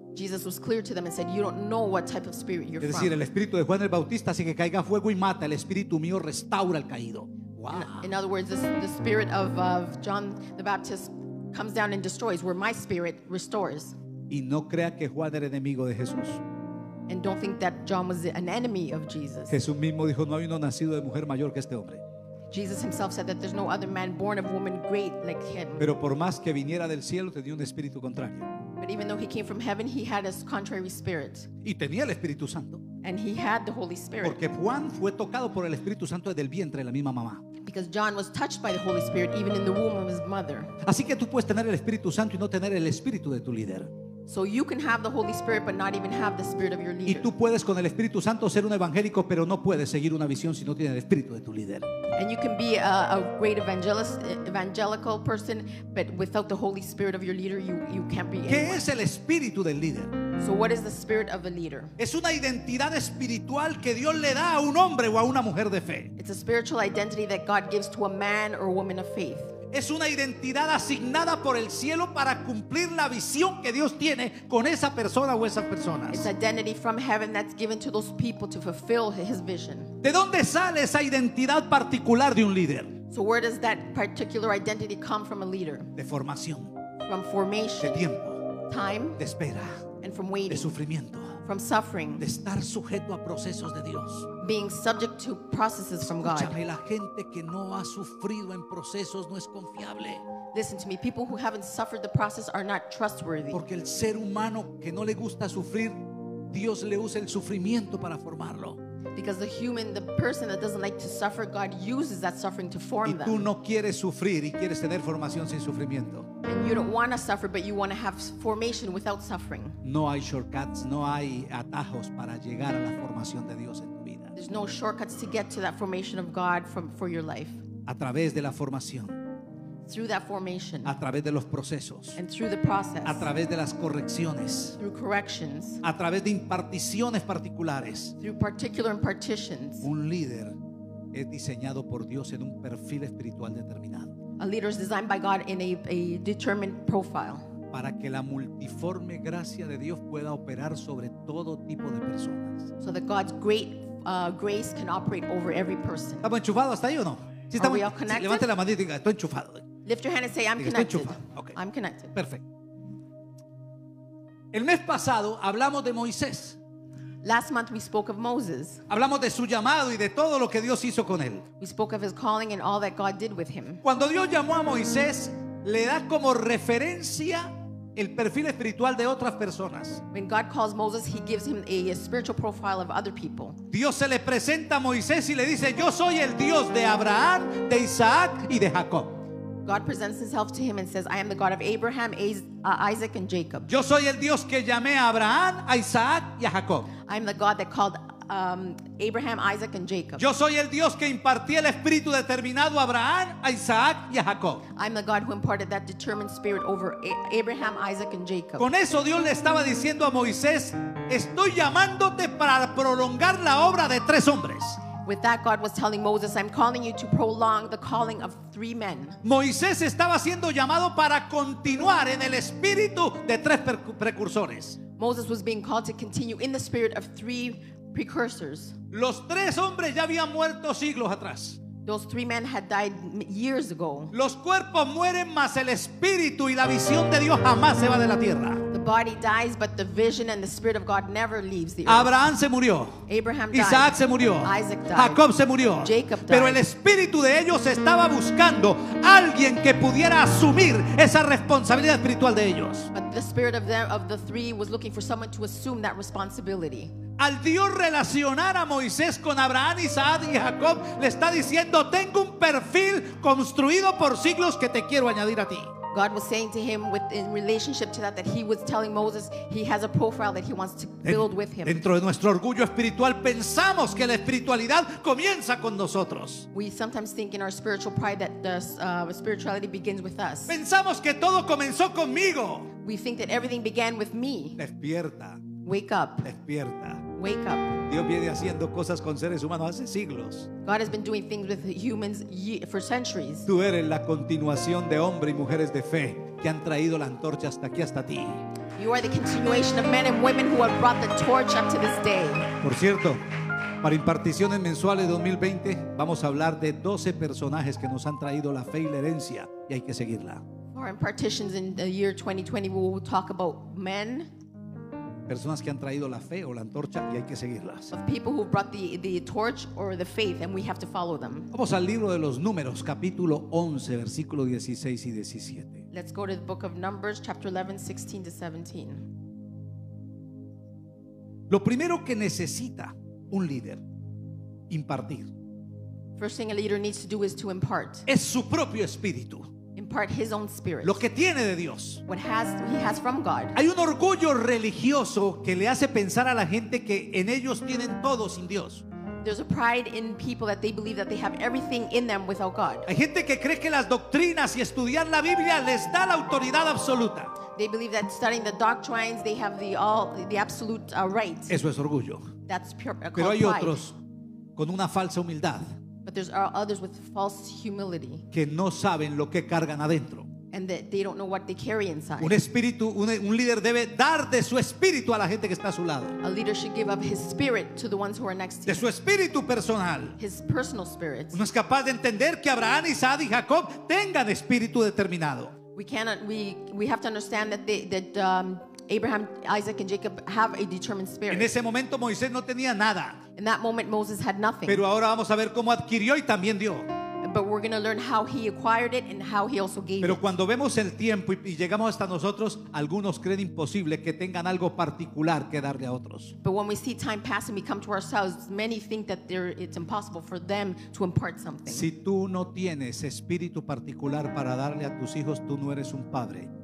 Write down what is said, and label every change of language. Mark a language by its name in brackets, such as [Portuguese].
[English] Jesus was clear to them and said, you don't know what type of spirit you're from. [Spanish] Es decir, el espíritu de Juan el Bautista hace que caiga fuego y mata, el espíritu mío restaura al caído. [English] Wow. In other words, the spirit of John the Baptist comes down and destroys, where my spirit restores. [Spanish] Y no crea que Juan era enemigo de Jesús. [English] And don't think that John was an enemy of Jesus. [Spanish] Jesús mismo dijo, no hay uno nacido de mujer mayor que este hombre. [English] Jesus himself said that there's no other man born of woman great like him. [Spanish] Pero por más que viniera del cielo, tenía un espíritu contrario. [English] But even though he came from heaven, he had a contrary spirit. [Spanish] Y tenía el Espíritu Santo. [English] And he had the Holy Spirit. [Spanish] Porque Juan fue tocado por el Espíritu Santo desde el vientre de la misma mamá. [English] Because John was touched by the Holy Spirit even in the womb of his mother. [Spanish] Así que tú puedes tener el Espíritu Santo y no tener el espíritu de tu líder. [English] So you can have the Holy Spirit but not even have the spirit of your leader. [Spanish] Y tú puedes con el Espíritu Santo ser un evangélico pero no puedes seguir una visión si no tienes el espíritu de tu líder. [English] And you can be a great evangelical person but without the Holy Spirit of your leader you can't be anyone. [Spanish] ¿Qué es el espíritu del líder? [English] So what is the spirit of a leader? [Spanish] Es una identidad espiritual que Dios le da a un hombre o a una mujer de fe. [English] It's a spiritual identity that God gives to a man or a woman of faith. [Spanish] Es una identidad asignada por el cielo para cumplir la visión que Dios tiene con esa persona o esas personas. [English] It's identity from heaven that's given to those people to fulfill his vision. [Spanish] ¿De dónde sale esa identidad particular de un líder? [English] So where does that particular identity come from a leader? [Spanish] De formación. [English] From formation. [Spanish] De tiempo. [English] Time. [Spanish] De espera. [English] And from waiting. [Spanish] De sufrimiento. [English] From suffering. [Spanish] De estar sujeto a procesos de Dios. [English] Being subject to processes from God. [Spanish] Escúchame, la gente que no ha sufrido en procesos no es confiable. [English] Listen to me, people who haven't suffered the process are not trustworthy. [Spanish] Porque el ser humano que no le gusta sufrir, Dios le usa el sufrimiento para formarlo. [English] Because the person that doesn't like to suffer, God uses that suffering to form them. [Spanish] Y tú no quieres sufrir y quieres tener formación sin sufrimiento. [English] And you don't want to suffer, but you want to have formation without suffering. [Spanish] No hay shortcuts, no hay atajos para llegar a la formación de Dios en tu vida. [English] There's no shortcuts to get to that formation of God for your life. [Spanish] A través de la formación. [English] Through that formation. [Spanish] A través de los procesos. [English] And through the process. [Spanish] A través de las correcciones. [English] Through corrections. [Spanish] A través de imparticiones particulares. [English] Through particular impartitions. [Spanish] Un líder es diseñado por Dios en un perfil espiritual determinado. [English] A leader is designed by God in a determined profile. [Spanish] Para que la multiforme gracia de Dios pueda operar sobre todo tipo de personas. [English] So that God's great grace can operate over every person. [Spanish] ¿Estamos enchufados hasta ahí o no? Sí, estamos, [English] are we all connected? [Spanish] Levante la mano y diga, estoy enchufado. [English] Lift your hand and say, I'm connected. [Spanish] Estoy enchufado. Okay. [English] I'm connected. [Spanish] Perfecto. El mes pasado hablamos de Moisés. [English] Last month we spoke of Moses. [Spanish] Hablamos de su llamado y de todo lo que Dios hizo con él. [English] We spoke of his calling and all that God did with him. [Spanish] Cuando Dios llamó a Moisés, le da como referencia el perfil espiritual de otras personas. [English] When God calls Moses, he gives him a spiritual profile of other people. [Spanish] Dios se le presenta a Moisés y le dice, "Yo soy el Dios de Abraham, de Isaac y de Jacob." [English] God presents himself to him and says, "I am the God of Abraham, Isaac and Jacob." [Spanish] Yo soy el Dios que llamé a Abraham, a Isaac y a Jacob. [English] I am the God that called Abraham, Isaac and Jacob. [Spanish] Yo soy el Dios que impartí el espíritu determinado a Abraham, a Isaac y a Jacob. [English] I'm the God who imparted that determined spirit over Abraham, Isaac and Jacob. [Spanish] Con eso Dios le estaba diciendo a Moisés, estoy llamándote para prolongar la obra de tres hombres. [English] With that God was telling Moses, I'm calling you to prolong the calling of three men. [Spanish] Moisés estaba siendo llamado para continuar en el espíritu de tres precursores. [English] Moses was being called to continue in the spirit of three precursors. [Spanish] Los tres hombres ya habían muerto siglos atrás. [English] Those three men had died years ago. [Spanish] Los cuerpos mueren, mas el espíritu y la visión de Dios jamás se va de la tierra. [English] The body dies, but the vision and the spirit of God never leaves the earth. [Spanish] Abraham se murió. [English] Abraham died. [Spanish] Isaac se murió. [English] Isaac died. [Spanish] Jacob se murió. [English] Jacob died. [Spanish] Pero el espíritu de ellos estaba buscando alguien que pudiera asumir esa responsabilidad espiritual de ellos. [English] But the spirit of the three was looking for someone to assume that responsibility. [Spanish] Al Dios relacionar a Moisés con Abraham, Isaac y Jacob, le está diciendo, tengo un perfil construido por siglos que te quiero añadir a ti. [English] God was saying to him in relationship to that he was telling Moses he has a profile that he wants to build with him. [Spanish] Dentro de nuestro orgullo espiritual pensamos que la espiritualidad comienza con nosotros. [English] We sometimes think in our spiritual pride that the spirituality begins with us. [Spanish] Pensamos que todo comenzó conmigo. [English] We think that everything began with me. [Spanish] Despierta. [English] Wake up. [Spanish] Despierta. [English] Wake up. [Spanish] Dios viene haciendo cosas con seres humanos hace siglos. [English] God has been doing things with humans for centuries. [Spanish] Tú eres la continuación de hombres y mujeres de fe que han traído la antorcha hasta aquí, hasta ti. [English] You are the continuation of men and women who have brought the torch up to this day. [Spanish] Por cierto, para imparticiones mensuales 2020 vamos a hablar de 12 personajes que nos han traído la fe y la herencia y hay que seguirla. [English] For impartitions in the year 2020 we will talk about men. [Spanish] Personas que han traído la fe o la antorcha y hay que seguirlas. [English] Of people who brought the torch or the faith and we have to follow them. [Spanish] Vamos al libro de los Números, capítulo 11, versículo 16 y 17. [English] Let's go to the book of Numbers, chapter 11, 16 to 17. [Spanish] Lo primero que necesita un líder, impartir. [English] First thing a leader needs to do is to impart. [Spanish] Es su propio espíritu. [English] Impart his own spirit. [Spanish] Lo que tiene de Dios. [English] What has, he has from God. [Spanish] Hay un orgullo religioso que le hace pensar a la gente que en ellos tienen todo sin Dios. [English] There's a pride in people that they believe that they have everything in them without God. [Spanish] Hay gente que cree que las doctrinas y estudiar la Biblia les da la autoridad absoluta. [English] They believe that studying the doctrines they have the absolute right. [Spanish] Eso es orgullo. [English] That's pure pride. [Spanish] Pero hay otros con una falsa humildad. [English] But there are others with false humility. [Spanish] Que no saben lo que cargan adentro. [English] And that they don't know what they carry inside. [Spanish] Un líder debe dar de su espíritu a la gente que está a su lado. [English] A leader should give up his spirit to the ones who are next to him. [Spanish] De su espíritu personal. [English] His personal spirit. [Spanish] Uno es capaz de entender que Abraham, Isaac y Jacob tengan espíritu determinado. [English] We have to understand that Abraham, Isaac and Jacob have a determined spirit. [Spanish] En ese momento Moisés no tenía nada. [English] In that moment Moses had nothing. [Spanish] Pero ahora vamos a ver cómo adquirió y también dio. [English] But we're going to learn how he acquired it and how he also gave it. [Spanish] Pero cuando vemos el tiempo y llegamos hasta nosotros, algunos creen imposible que tengan algo particular que darle a otros. [English] But when we see time pass and we come to ourselves, many think that it's impossible for them to impart something. [Spanish] Si tú no tienes espíritu particular para darle a tus hijos, tú no eres un padre.